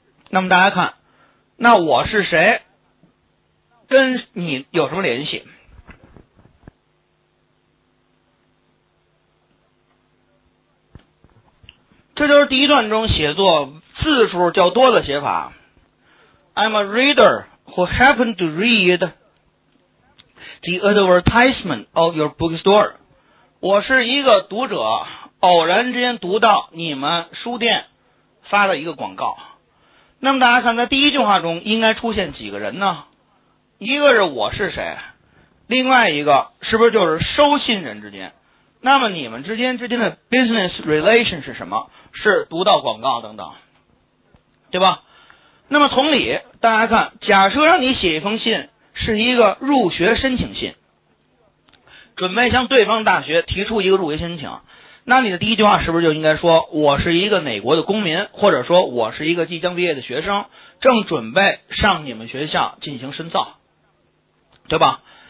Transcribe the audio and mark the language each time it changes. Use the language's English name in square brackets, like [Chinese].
[Chinese] 那么大家看，那我是谁跟你有什么联系，这就是第一段中写作字数较多的写法。 [English] I'm a reader who happened to read the advertisement of your bookstore， [Chinese] 我是一个读者，偶然之间读到你们书店发的一个广告。那么大家看，在第一句话中应该出现几个人呢？一个是我是谁，另外一个是不是就是收信人之间？那么你们之间的 [English] business relation [Chinese] 是什么？是读到广告等等，对吧？那么同理，大家看，假设让你写一封信是一个入学申请信，准备向对方大学提出一个入学申请，那你的第一句话是不是就应该说，我是一个哪国的公民，或者说我是一个即将毕业的学生，正准备上你们学校进行深造，对吧？